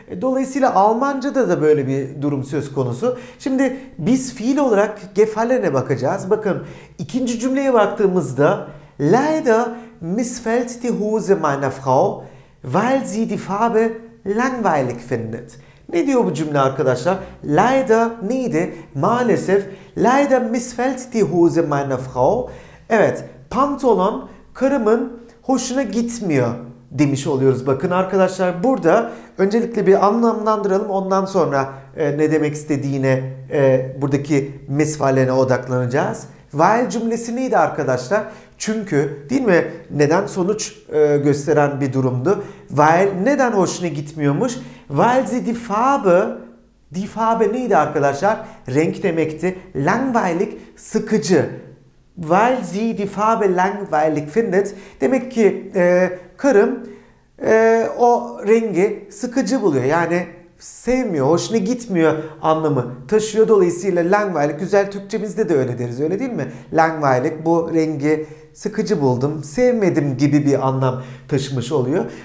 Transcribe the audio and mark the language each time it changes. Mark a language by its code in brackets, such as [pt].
[tr] Dolayısıyla Almanca'da da böyle bir durum söz konusu. Şimdi biz fiil olarak gefallen'e bakacağız. Bakın ikinci cümleye baktığımızda [de] leider missfällt die Hose meiner Frau, weil sie die Farbe langweilig findet. [tr] Ne diyor bu cümle arkadaşlar? Leider neydi? Maalesef. [de] Leider missfällt die Hose meiner Frau. [tr] Evet, pantolon karımın hoşuna gitmiyor demiş oluyoruz. Bakın arkadaşlar, burada öncelikle bir anlamlandıralım, ondan sonra ne demek istediğine, buradaki misfalene odaklanacağız. Weil cümlesi neydi arkadaşlar? Çünkü, değil mi? Neden sonuç gösteren bir durumdu. Weil neden hoşuna gitmiyormuş? [de] Weil sie die Farbe, die Farbe [tr] neydi arkadaşlar? Renk demekti. Langweilig, sıkıcı. [de] Weil sie die Farbe langweilig findet. [tr] Demek ki karım o rengi sıkıcı buluyor. Yani sevmiyor, hoşuna gitmiyor anlamı taşıyor. Dolayısıyla langweilig, güzel Türkçemizde de öyle deriz, öyle değil mi? Langweilig, bu rengi sıkıcı buldum, sevmedim gibi bir anlam taşımış oluyor.